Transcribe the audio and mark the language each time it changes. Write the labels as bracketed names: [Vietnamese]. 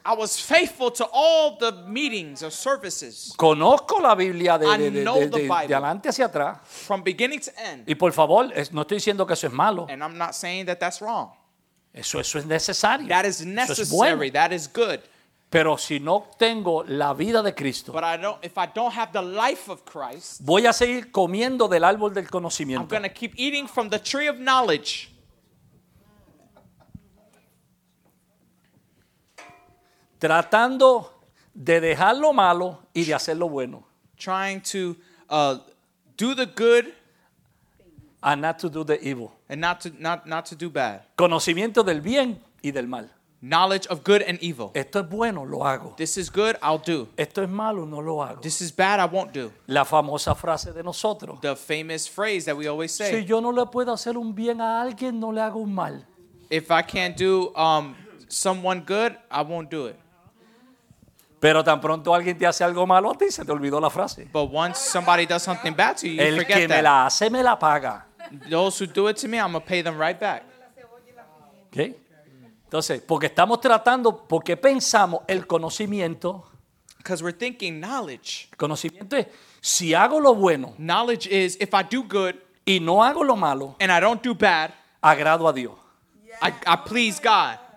[English] I was faithful to all the meetings or services. [Spanish] Conozco la Biblia de adelante hacia atrás. [English] From beginning to end. [Spanish] Y por favor, no estoy diciendo que eso es malo. [English] And I'm not saying that that's wrong. [Spanish] Eso es necesario. [English] That is necessary. That is good. [Spanish] Pero si no tengo la vida de Cristo, [English] but if I don't have the life of Christ, [Spanish] voy a seguir comiendo del árbol del conocimiento. [English] I'm going to keep eating from the tree of knowledge. [Spanish] Tratando de dejar lo malo y de hacer lo bueno. [English] Trying to do the good and not to do the evil. And not to do bad. [Spanish] Conocimiento del bien y del mal. [English] Knowledge of good and evil. [Spanish] Esto es bueno, lo hago. [English] This is good, I'll do. [Spanish] Esto es malo, no lo hago. [English] This is bad, I won't do. [Spanish] La famosa frase de nosotros. [English] The famous phrase that we always say. [Spanish] Si yo no le puedo hacer un bien a alguien, no le hago un mal. [English] If I can't do someone good, I won't do it. [Spanish] Pero tan pronto alguien te hace algo malo a ti, se te olvidó la frase. [English] But once somebody does something bad to you, [Spanish] El [English] you forget [Spanish] que [English] that. [Spanish] Me la hace, me la paga. [English] Those who do it to me, I'm gonna pay them right back. Okay. [Spanish] Entonces, porque estamos tratando, porque pensamos el conocimiento. [English] Because we're thinking knowledge. [Spanish] Conocimiento es, si hago lo bueno. [English] Knowledge is, if I do good. [Spanish] Y no hago lo malo. [English] And I don't do bad. [Spanish] Agrado a Dios. [English] Yeah. I please God.